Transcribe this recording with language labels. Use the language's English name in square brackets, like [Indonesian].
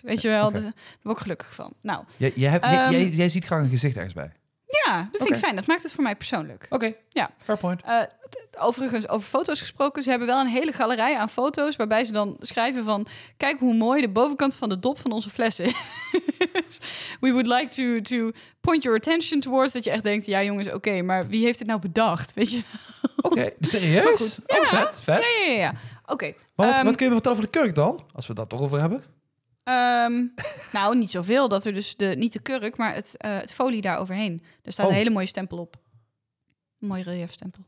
[Dutch] Weet je wel, okay. Daar word ik gelukkig van. Nou, jij ziet graag een gezicht ergens bij. Ja, dat vind ik fijn. Dat maakt het voor mij persoonlijk. Oké, okay. Ja. [English] Fair point. [Dutch] Overigens, over foto's gesproken. Ze hebben wel een hele galerij aan foto's waarbij ze dan schrijven van... Kijk hoe mooi de bovenkant van de dop van onze fles is. [English] We would like to point your attention towards. [Dutch] Dat je echt denkt, ja jongens, oké, maar wie heeft dit nou bedacht? Weet je? Oké, serieus? Maar goed, ja. Oh, vet. Ja. Oké. Okay. Wat kun je me vertellen over de kurk dan? Als we dat toch over hebben. Nou, niet zoveel. Dat er dus niet de kurk, maar het folie daar overheen. Er staat een hele mooie stempel op. Een mooi relief stempel.